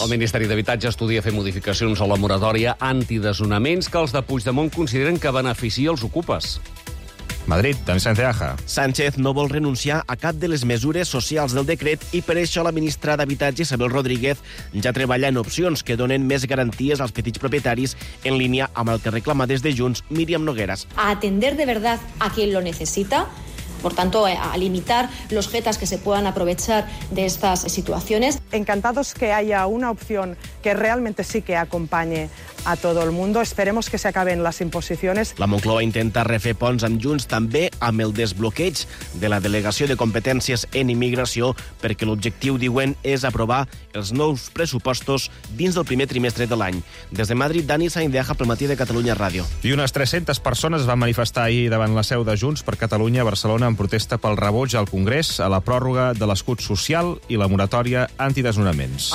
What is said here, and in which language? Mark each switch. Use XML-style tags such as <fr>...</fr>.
<ca>El Ministeri d'Habitatge estudia fer modificacions a la moratòria antidesonaments que els de Puigdemont consideren que beneficia els ocupes. Madrid, Dani Sánchez. Sánchez no vol renunciar a cap de les mesures socials del decret i per això la ministra d'Habitatge, Isabel Rodríguez, ja treballa en opcions que donen més garanties als petits propietaris en línia amb el que reclama des de Junts Míriam Nogueras.</ca> <es>A atender de verdad a quien lo necesita, por tanto, a limitar los jetas que se puedan aprovechar de estas situaciones. Encantados que haya una opción que realmente sí que acompañe a todo el mundo. Esperemos que se acaben las imposiciones.</es> <ca>La Moncloa intenta refer ponts amb Junts també amb el desbloqueig de la delegació de competències en immigració, perquè l'objectiu, diuen, és aprovar els nous pressupostos dins del primer trimestre de l'any. Des de Madrid, Dani Sainz de Aja, pel Matí de Catalunya Ràdio. I unes 300 persones van manifestar ahir davant la seu de Junts per Catalunya a Barcelona en protesta pel rebuig al Congrés a la pròrroga de l'escut social i la moratòria antidesnonaments.</ca>